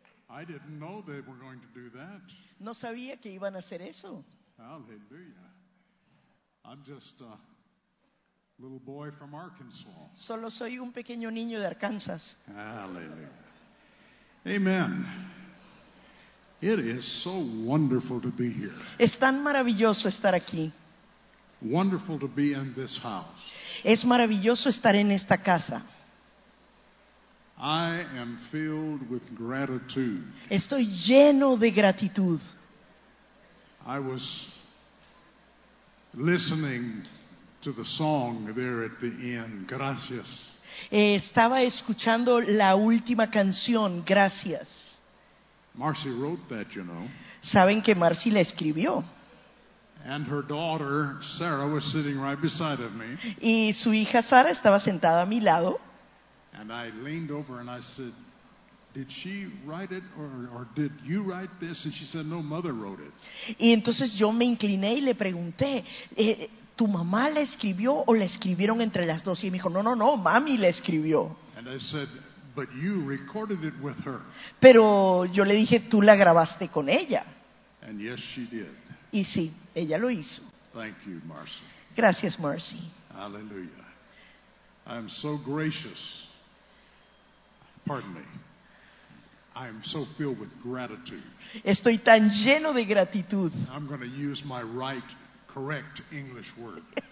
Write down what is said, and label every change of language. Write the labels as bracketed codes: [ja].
[en] I didn't know they were going to do that. [es] No sabía que iban a hacer eso. Aleluya. [en] I'm just a little boy from Arkansas. [es] Solo soy un pequeño niño de Arkansas. Aleluya. Amen. [en] It is so wonderful to be here. [es] Es tan maravilloso estar aquí. [en] Wonderful to be in this house. [es] Es maravilloso estar en esta casa. [en] I am filled with gratitude. [es] Estoy lleno de gratitud. [en] I was listening to the song there at the end. [es] Gracias. Estaba escuchando la última canción, Gracias. [en] Marcy wrote that, you know. [es] Saben que Marcy la escribió. [en] And her daughter Sarah was sitting right beside of me. [es] Y su hija Sara estaba sentada a mi lado. [en] And I leaned over and I said, "Did she write it or did you write this?" And she said, "No, mother wrote it." [es] Y entonces yo me incliné y le pregunté, ¿tu mamá la escribió o la escribieron entre las dos? Y me dijo, no, mami la escribió. [en] And I said, "But you recorded it with her." [es] Pero yo le dije, tú la grabaste con ella. [en] And yes, she did. [es] Y sí, ella lo hizo. [en] Thank you, Marcy. [es] Gracias, Marcy. [en] Aleluya. I'm so gracious. Pardon me. I am so filled with gratitude. [es] Estoy tan lleno de gratitud. [en] I'm going to use my right, correct English word.